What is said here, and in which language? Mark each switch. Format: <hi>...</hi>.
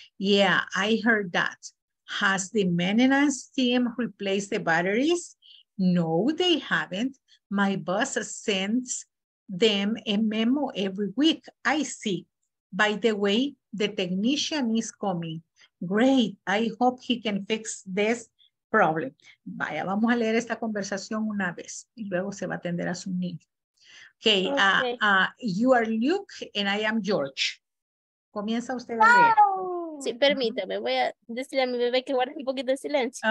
<en>Yeah, I heard that. Has the maintenance team replaced the batteries? No, they haven't. My boss sends them a memo every week. I see. By the way, the technician is coming. Great, I hope he can fix this problem.</en> <es>Vaya, vamos a leer esta conversación una vez y luego se va a atender a su niño.</es> <en>Okay, you are Luke and I am George.</en> <es>Comienza usted a leer. Sí, permítame, voy a decirle a mi bebé que guarde un poquito de silencio.</es>